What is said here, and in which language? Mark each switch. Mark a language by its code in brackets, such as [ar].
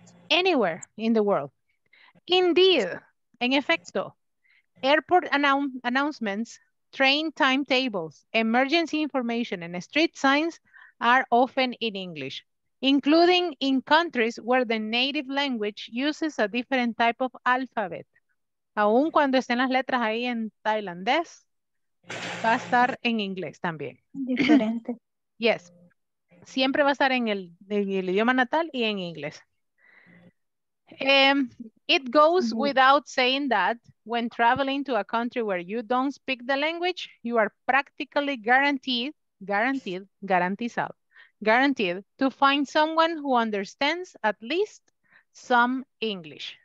[en] Anywhere in the world. Indeed, [es] en efecto, [en] airport announcements, train timetables, emergency information, and street signs are often in English. including in countries where the native language uses a different type of alphabet. [es] Aun cuando estén las letras ahí en tailandés, va a estar en inglés también. Diferente. [en] Yes. [es] Siempre va a estar en el idioma natal y en inglés. [en] It goes without saying that when traveling to a country where you don't speak the language, you are practically guaranteed to find someone who understands at least some English.